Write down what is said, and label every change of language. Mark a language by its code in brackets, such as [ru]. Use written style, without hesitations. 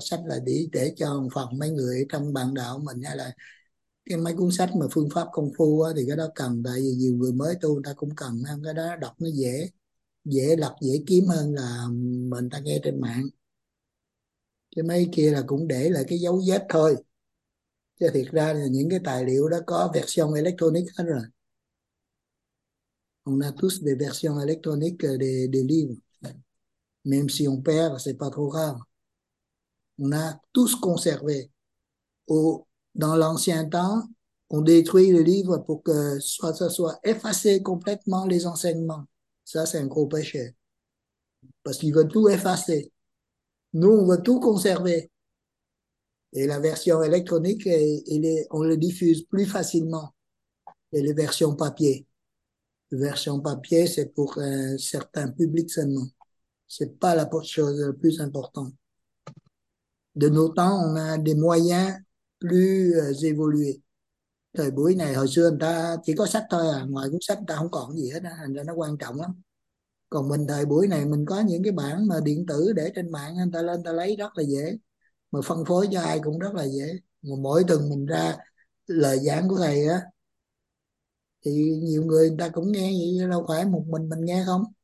[vi] Sách là để cho một phần mấy người trong bạn đạo mình, hay là cái mấy cuốn sách mà phương pháp công phu á, thì cái đó cần, tại vì nhiều người mới tu người ta cũng cần, cái đó đọc nó dễ dễ lật dễ kiếm hơn là mình ta nghe trên mạng. Cái mấy kia là cũng để lại cái dấu vết thôi, chứ thiệt ra là những cái tài liệu đó có [en] version electronic [vi] hết rồi. [fr] On a tous des versions électroniques des de livres, même si on perd, c'est pas trop grave. On a tous conservé. Ou, dans l'ancien temps, on détruit les livres pour que ça soit effacé complètement les enseignements. Ça, c'est un gros péché. Parce qu'ils veulent tout effacer. Nous, on veut tout conserver. Et la version électronique, on le diffuse plus facilement que les versions papier. Version papier, c'est pour un certain public seulement. C'est pas la chose la plus importante. De nos temps, on a des moyens plus évolués. [vi] Thời buổi này, hồi xưa người ta chỉ có sách thôi à, ngoài cuốn sách người ta không còn gì hết á, thành ra nó quan trọng lắm. Còn mình thời buổi này mình có những cái bản mà điện tử để trên mạng, người ta lên người ta lấy rất là dễ, mà phân phối cho ai cũng rất là dễ. Mà mỗi tuần mình ra lời giảng của thầy á, thì nhiều người người ta cũng nghe, vậy đâu phải một mình nghe không.